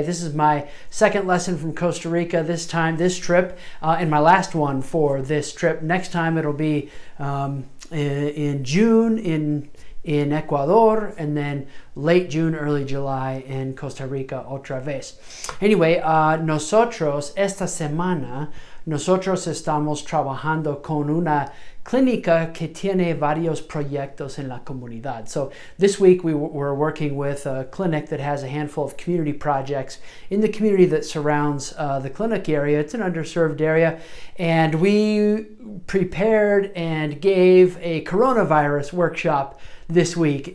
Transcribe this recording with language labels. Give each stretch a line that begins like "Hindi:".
English: This is my second lesson from Costa Rica this time, this trip, and my last one for this trip. Next time it'll be in June in Ecuador, and then late June, early July in Costa Rica
Spanish: otra vez. Anyway, nosotros estamos trabajando con una clínica que tiene varios proyectos en la comunidad.
English: So this week we're working with a clinic that has a handful of community projects in the community that surrounds the clinic area. It's an underserved area. And we prepared and gave a coronavirus workshop this week.